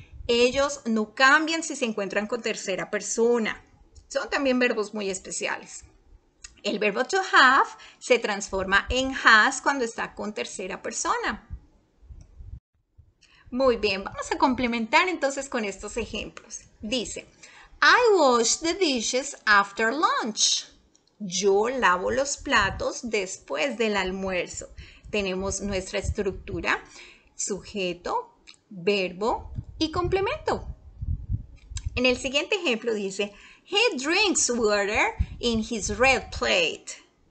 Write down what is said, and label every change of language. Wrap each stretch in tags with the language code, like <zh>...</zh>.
<es>Ellos no cambian si se encuentran con tercera persona. Son también verbos muy especiales. El verbo to have se transforma en has cuando está con tercera persona. Muy bien, vamos a complementar entonces con estos ejemplos. Dice,</es> <en>I wash the dishes after lunch.</en> <es>Yo lavo los platos después del almuerzo. Tenemos nuestra estructura, sujeto, verbo y complemento. En el siguiente ejemplo dice,</es> <en>he drinks water in his red plate.</en>